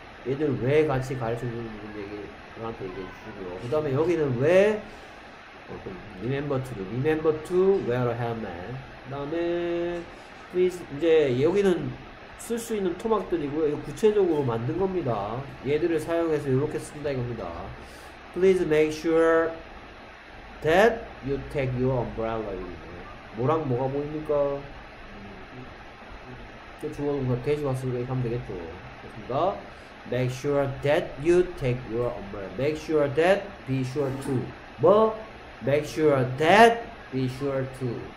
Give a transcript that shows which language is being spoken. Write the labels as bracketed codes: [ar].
[ko] 얘들 왜 같이 가르쳐주는 얘기 저한테 얘기해주시고요. 그 다음에 여기는 왜 remember to do. [en] remember to wear a helmet. [ko] 그 다음에 please 이제 여기는 쓸 수 있는 토막들이고요. 이거 구체적으로 만든 겁니다. 얘들을 사용해서 이렇게 쓴다 이겁니다. [en] please make sure that you take your umbrella. [ko] 뭐랑 뭐가 보입니까? 주어 동사 대시 왔으니까 이렇게 하면 되겠죠. 같은가? [en] Make sure that you take your umbrella. Make sure that be sure to. 뭐? Make sure that be sure to.